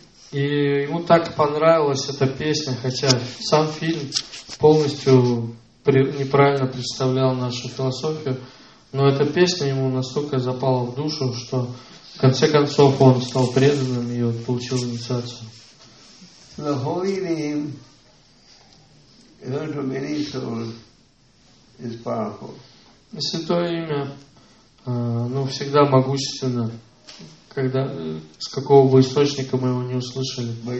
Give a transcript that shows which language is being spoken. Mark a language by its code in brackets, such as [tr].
[ru] И ему так понравилась эта песня, хотя сам фильм полностью неправильно представлял нашу философию, но эта песня ему настолько запала в душу, что в конце концов он стал преданным и он получил инициацию. [en] The holy name, learned from many souls, is powerful. [ru] Святое имя, ну, всегда могущественно, когда, с какого бы источника мы его не услышали.